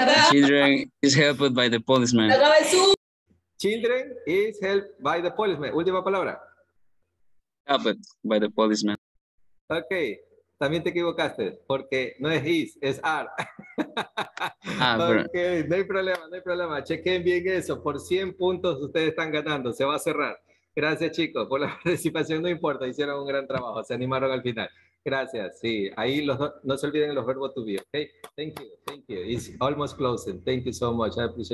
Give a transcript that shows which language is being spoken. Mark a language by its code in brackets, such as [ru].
[en] Children is helped by the policeman. Children is helped by the policeman. [es] Última palabra. [en] Helped by the policeman. [es] Ok, también te equivocaste, porque no es his, es are. [en] Okay. [es] No hay problema. Chequen bien eso. Por 100 puntos ustedes están ganando. Se va a cerrar. Gracias, chicos, por la participación. No importa, hicieron un gran trabajo. Se animaron al final. Gracias. Sí, ahí no se olviden los verbos to be. [en] Okay. Thank you. It's almost closing. Thank you so much. I appreciate it.